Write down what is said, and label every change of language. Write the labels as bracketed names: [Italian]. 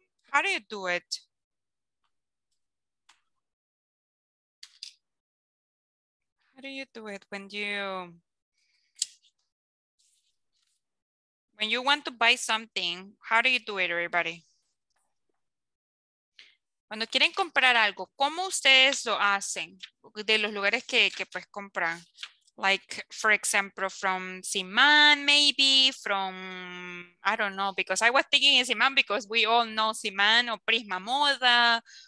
[English] How do you do it? How do you do it when you want to buy something? How do you do it, everybody? [Spanish] Cuando quieren comprar algo, ¿cómo ustedes lo hacen? De los lugares que pues compran. [English] Like, for example, from Siman, maybe, from, I don't know, because I was thinking in Siman because we all know Siman or Prisma Moda.